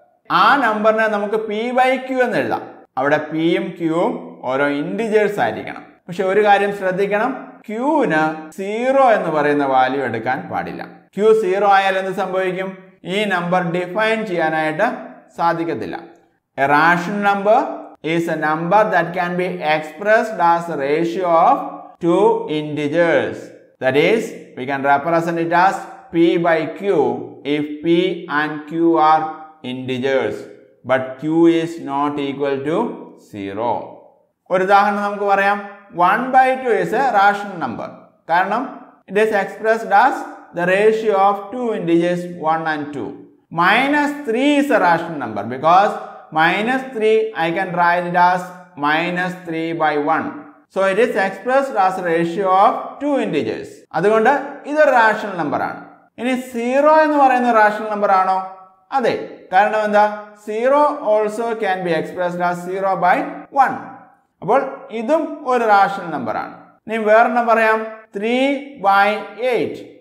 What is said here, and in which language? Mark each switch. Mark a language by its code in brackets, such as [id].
[ml] ആ നമ്പറിനെ നമുക്ക് P/Q എന്ന് എഴുതാം. അവിടെ P യും ഓരോ ഇൻറ്റിജേഴ്സ് ആയിരിക്കണം. പക്ഷെ ഒരു കാര്യം ശ്രദ്ധിക്കണം, Q സീറോ എന്ന് പറയുന്ന വാല്യൂ എടുക്കാൻ പാടില്ല. Q സീറോ ആയാൽ എന്ത് സംഭവിക്കും? ഈ നമ്പർ ഡിഫൈൻ ചെയ്യാനായിട്ട് സാധിക്കത്തില്ല. A rational number [en] is a number that can be expressed as a ratio of two integers. That is, we can represent it as P/Q if P and Q are integers. But Q is not equal to zero. [ml] ഒരു ഉദാഹരണം നമുക്ക് പറയാം. [en] 1/2 is a rational number. [ml] കാരണം [en] it is expressed as the ratio of two integers 1 and 2. -3 is a rational number because -3 I can write it as -3/1. So it is expressed as a ratio of two integers. [ml] അതുകൊണ്ട് ഇതൊരു rational number ആണ്. ഇനി zero എന്ന് പറയുന്ന rational number ആണോ? അതെ. കാരണം എന്താ? [en] Zero also can be expressed as 0/1. [ml] അപ്പോൾ ഇതും ഒരു റാഷണൽ നമ്പർ ആണ്. ഇനി വേറെണ്ണം പറയാം, 3/8.